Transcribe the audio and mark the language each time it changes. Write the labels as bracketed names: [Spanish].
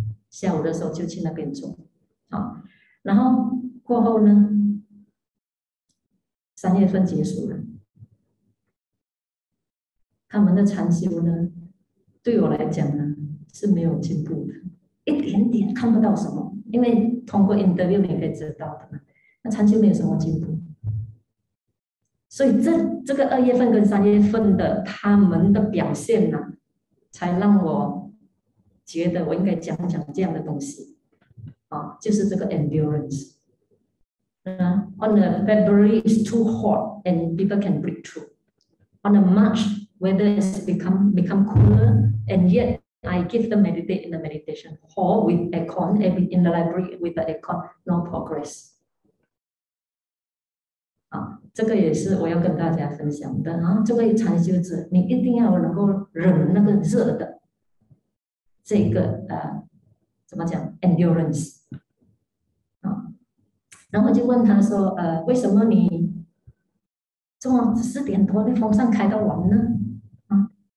[Chinese] 下午的时候就去那边住，啊，然后过后呢，三月份结束了，他们的禅修呢，对我来讲呢是没有进步的，一点点看不到什么，因为通过 interview 你可以知道的嘛，那禅修没有什么进步。所以这个二月份跟三月份的他们的表现呢，才让我觉得我应该讲讲这样的东西，啊，就是这个 endurance。 [English] On the February is too hot and people can breathe through. On the March, weather is become cooler and yet I give them meditate in the meditation hall with aircon every in the library with the aircon, no progress. [Chinese] 这个也是我要跟大家分享的啊！这位禅修者，你一定要能够忍那个热的，这个怎么讲？endurance 然后就问他说，为什么你这么4点多那风扇开到晚呢？